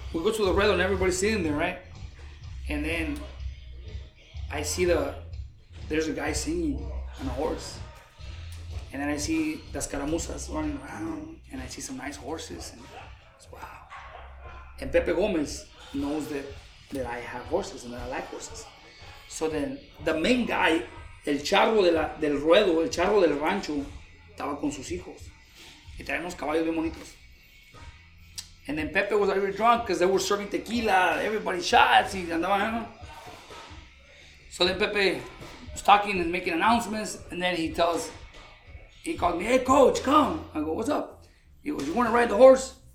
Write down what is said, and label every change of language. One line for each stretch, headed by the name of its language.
English: We go to the redo, and everybody's sitting there, right? And then I see there's a guy singing on a horse. And then I see the escaramuzas running around, and I see some nice horses, and it's wow. And Pepe Gomez knows that I have horses and that I like horses. So then the main guy,
Spanish: el charro del ruedo, el charro del rancho, estaba con sus hijos. Y traen unos caballos bien bonitos.
English: And then Pepe was already drunk because they were serving tequila, everybody shots,
Spanish: y andaba,
English: you know? So then Pepe was talking and making announcements, and then he called me, hey coach, come. I go, what's up? He goes, you want to ride the horse?